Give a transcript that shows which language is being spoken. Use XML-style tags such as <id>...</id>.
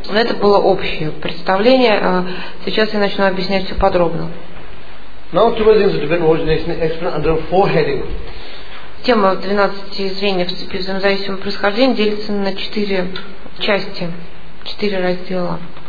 <ru>Но это было общее представление. Сейчас я начну объяснять все подробно.</ru> <en>Now two things of divine origination explained under four headings.</en> <ru>Тема 12 звеньев цепи взаимозависимого происхождения делится на 4 части, 4 раздела.</ru>